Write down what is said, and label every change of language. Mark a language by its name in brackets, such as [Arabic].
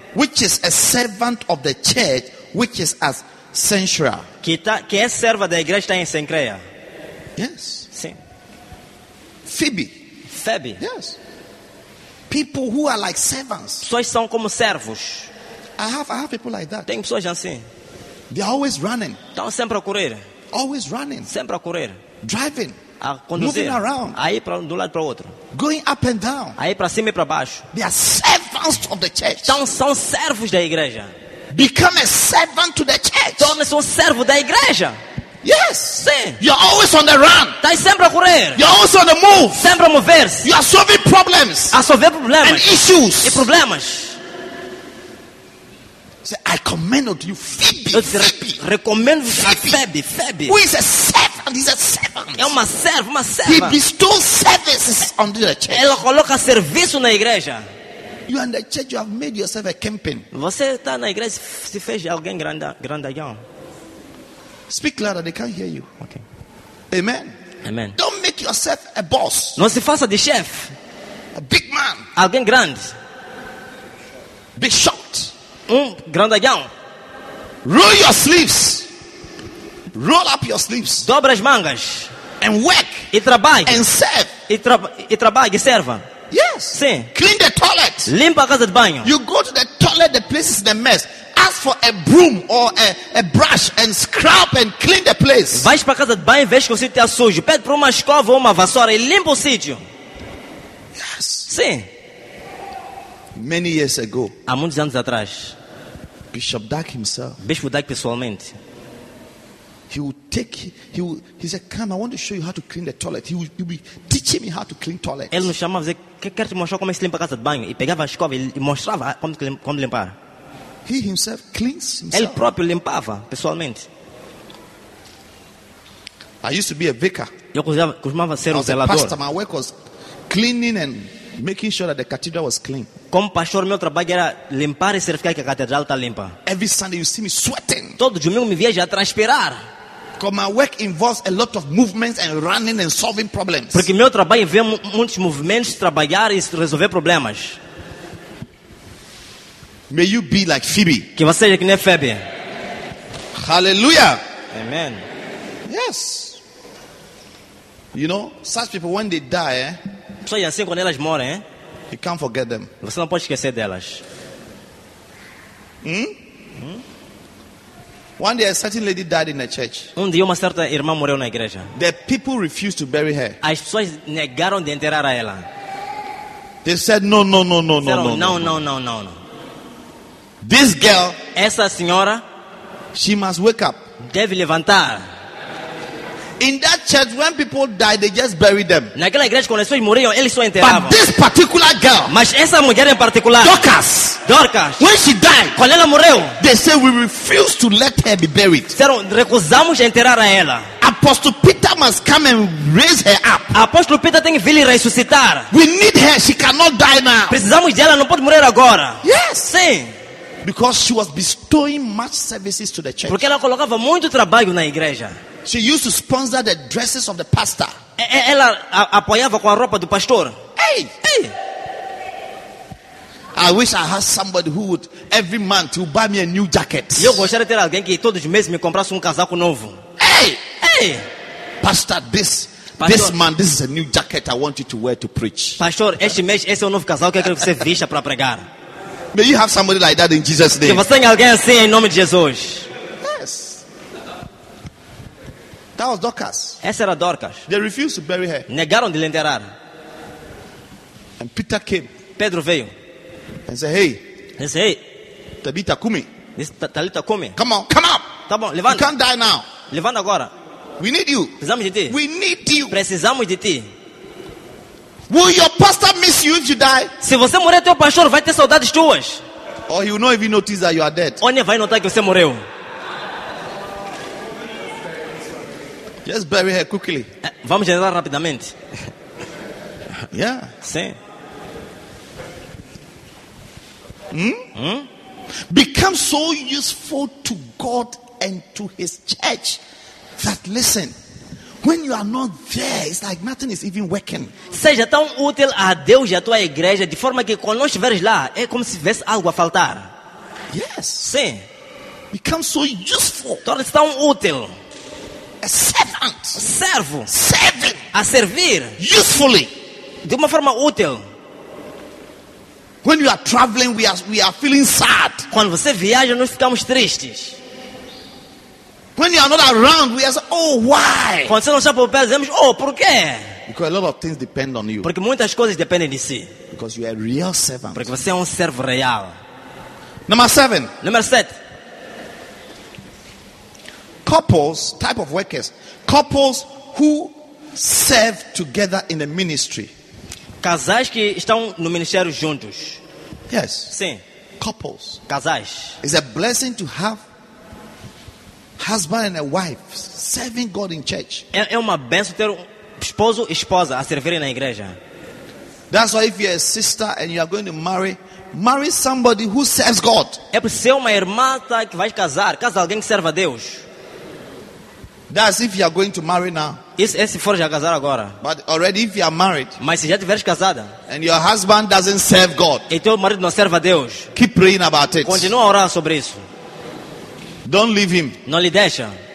[English] which is a servant of the church, which is at Cenchrea. [Portuguese] Que é serva da igreja está em Cenchrea. [English] Yes. [Portuguese] Sim. [English] Phoebe. [Portuguese] Febe. [English] Yes. People who are like servants. [Portuguese] Pessoas são como servos. [English] I have people like that. [Portuguese] Tem pessoas assim. [English] They are always running. [Portuguese] Estão sempre a correr. [English] Always running. [Portuguese] Sempre a correr. [English] Driving. [Portuguese] A conduzir, [English] moving around, [Portuguese] aí para um lado para outro, [English] going up and down, [Portuguese] aí para cima e para baixo. [English] They are servants of the church. [Portuguese] Então são servos da igreja. [English] Become a servant to the church. [Portuguese] Torne-se servo da igreja. [English] Yes. [Portuguese] Sim. [English] You're always on the run. [Portuguese] Tá sempre a correr. [English] You're always on the move. [Portuguese] Sempre a mover-se. [English] You are solving problems. [Portuguese] A resolver problemas. [English] And issues. [Portuguese] E problemas. [English] Say, I commend unto you Phoebe. [Portuguese] Eu recomendo a Phoebe. Phoebe. [English] Who is a servant? He's a servant. [Portuguese] É uma serva, uma serva. [English] He bestows services on the church. [Portuguese] Ela coloca serviço na igreja. [English] You are in the church, you have made yourself a camping. [Portuguese] Você está na igreja, se fez alguém grandalhão. [English] Speak louder, they can't hear you. Okay. Amen. [Portuguese] Amen. [English] Don't make yourself a boss. [Portuguese] Não se faça de chef. [English] A big man. [Portuguese] Alguém grande. [English] Be short. [Portuguese] Grandalhão. [English] Roll your sleeves. Roll up your sleeves. [Portuguese] Dobra as mangas. [English] And work. [Portuguese] E trabalhe. [English] And serve. [Portuguese] E trabalhe e serva. [English] Yes. [Portuguese] Sim. [English] Clean the toilet. [Portuguese] Limpa a casa de banho. [English] You go to the toilet, the place is a mess. Ask for a broom or a brush and scrub and clean the place. [Portuguese] Vais para casa de banho, vês que o sítio está sujo. Pede para uma escova ou uma vassoura e limpa o sítio. [English] Yes. [Portuguese] Sim. [English] Many years ago. [Portuguese] Há muitos anos atrás. [English] Bishop Duck himself. [Portuguese] Bispo Duck pessoalmente. [English] He would take. He would. He said, "Come, I want to show you how to clean the toilet." He would be teaching me how to clean toilets. [Portuguese] Ele me chamava e dizia, "Quero te mostrar como é que se limpa a casa de banho." E pegava a escova e mostrava como limpar. [English] He himself cleans himself. [Portuguese] Ele próprio limpava pessoalmente. [English] I used to be a vicar. [Portuguese] Eu costumava ser um zelador. [English] Pastor, my work was cleaning and making sure that the cathedral was clean. [Portuguese] Como pastor, meu trabalho era limpar e certificar que a catedral está limpa. [English] Every Sunday you see me sweating. [Portuguese] Todo domingo me vejo a transpirar. [English] Because my work involves a lot of movements and running and solving problems. [Portuguese] Porque meu trabalho envolve muitos movimentos, trabalhar e resolver problemas. [English] May you be like Phoebe. [Portuguese] Que você seja como Phoebe. [English] Hallelujah. [Portuguese] Amen. [English] Yes. You know, such people when they die, [Portuguese] pessoas assim quando elas morrem, [English] you can't forget them. [Portuguese] Você não pode esquecer delas. [English] One day a certain lady died in a church. [Portuguese] Um dia uma certa irmã morreu na igreja. [English] The people refused to bury her. [Portuguese] As pessoas negaram de enterrar a ela. [English] They said no, no, no, no, no, no, no, no, no, no, no. This girl, [Portuguese] essa senhora, [English] she must wake up. [Portuguese] Deve levantar. [English] In that church, when people die, they just bury them. [Portuguese] Naquela igreja quando as pessoas morriam, eles só enterravam. [English] But this particular girl, [Portuguese] mas essa mulher em particular, [English] Dorcas, when she died, [Portuguese] quando ela morreu, [English] they say we refuse to let her be buried. [Portuguese] Disseram, recusamos enterrar a ela. [English] Apostle Peter must come and raise her up. [Portuguese] Apóstolo Pedro tem que vir ressuscitar. [English] We need her. She cannot die now. [Portuguese] Precisamos dela. Não pode morrer agora. [English] Yes. [Portuguese] Sim. [English] Because she was bestowing much services to the church. [Portuguese] Porque ela colocava muito trabalho na igreja. [English] She used to sponsor the dresses of the pastor. [Portuguese] Ela apoiava com a roupa do pastor. [English] Hey, I wish I had somebody who would every month would buy me a new jacket. [Portuguese] Eu gostaria de ter alguém que todos os meses me comprasse casaco novo. [English] Hey, hey, pastor, this man, this is a new jacket I want you to wear to preach. [Portuguese] Pastor, este mês esse é o novo casaco que eu quero que você veja para pregar. [English] May you have somebody like that in Jesus' name. [Portuguese] Que você tenha alguém assim em nome de Jesus. [English] That was Dorcas. [Portuguese] Essa era Dorcas. [English] They refused to bury her. [Portuguese] Negaram de enterrar. [English] And Peter came. [Portuguese] Pedro veio. [English] And said, "Hey." He said, "Hey." Talita, come. Talita, come. Come on, come up. [Portuguese] Tá bom, levanta. [English] You can't die now. [Portuguese] Levanta agora. [English] We need you. [Portuguese] Precisamos de ti. [English] We need you. [Portuguese] Precisamos de ti. [English] Will your pastor miss you if you die? [Portuguese] Se você morrer, teu pastor vai ter saudades tuas. [English] Or he will not even notice that you are dead. [Portuguese] Ou nem vai notar que você morreu. [English] Just bury her quickly. [Portuguese] Vamos generar rapidamente. [English] Yeah. [Portuguese] Sim. [English] Become so useful to God and to His church that listen, when you are not there, it's like nothing is even working. [Portuguese] Seja tão útil a Deus e a tua igreja de forma que quando não estiveres lá é como se tivesse algo a faltar. [English] Yes. [Portuguese] Sim. [English] Become so useful. [Portuguese] Torna-se tão útil. [English] A servant. [Portuguese] Servo. [English] Serving. [Portuguese] A servir. [English] Usefully. [Portuguese] De uma forma útil. [English] When you are traveling, we are feeling sad. [Portuguese] Quando você viaja, nós ficamos tristes. [English] When you are not around, we are why? [Portuguese] Quando você não está por perto, dizemos, por quê? [English] Because a lot of things depend on you. [Portuguese] Porque muitas coisas dependem de si. [English] Because you are a real servant. [Portuguese] Porque você é servo real. [English] Number 7. Couples, type of workers, couples who serve together in a ministry. [Portuguese] Casais que estão no ministério juntos. [English] Yes. [Portuguese] Sim. [English] Couples. [Portuguese] Casais. [English] It's a blessing to have husband and a wife serving God in church. [Portuguese] É uma bênção ter esposo e esposa a servirem na igreja. [English] That's why if you're a sister and you are going to marry somebody who serves God. [Portuguese] É para ser uma irmã que vai casar, casa alguém que serve a Deus. [English] That's if you are going to marry now. [Portuguese] Isso é se for já casar agora. [English] But already if you are married. [Portuguese] Mas se já tiveres casada. [English] And your husband doesn't serve God. [Portuguese] E teu marido não serve a Deus. [English] Keep praying about it. [Portuguese] Continua a orar sobre isso. [English] Don't leave him. [Portuguese] Não lhe deixa.